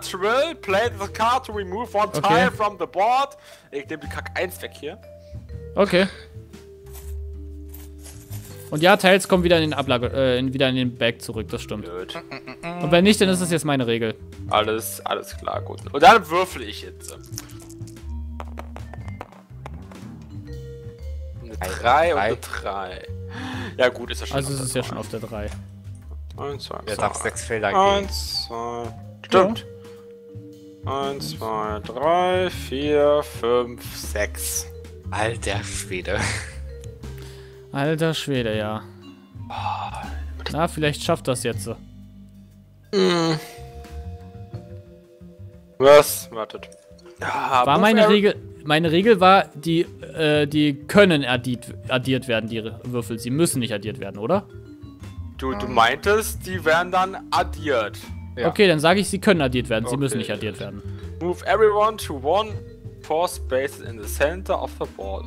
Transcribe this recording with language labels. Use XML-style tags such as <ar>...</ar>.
<en>Trill, play the card to remove one tile from the board.</en> <de>Ich nehme die Kack 1 weg hier. Okay. Und ja, Tiles kommen wieder in den Ablage, wieder in den Bag zurück, das stimmt. Blöd. Und wenn nicht, dann ist das jetzt meine Regel. Alles klar, gut. Und dann würfel ich jetzt. 3 und 3. Ja gut, ist ja schon. Also es ist ja schon auf der 3. 1, 2, 3. Er darf 6 Felder geben. 1, 2. Stimmt. 1, 2, 3, 4, 5, 6. Alter Schwede. Alter Schwede, ja. Na, vielleicht schafft das jetzt so. Was? Wartet. War meine Regel. Meine Regel war, die können addiert werden, die Würfel. Sie müssen nicht addiert werden, oder? Du meintest, die werden dann addiert. Ja. Okay, dann sage ich, sie können addiert werden. Sie müssen nicht addiert werden.</de> <en>Move everyone to one four spaces in the center of the board.</en>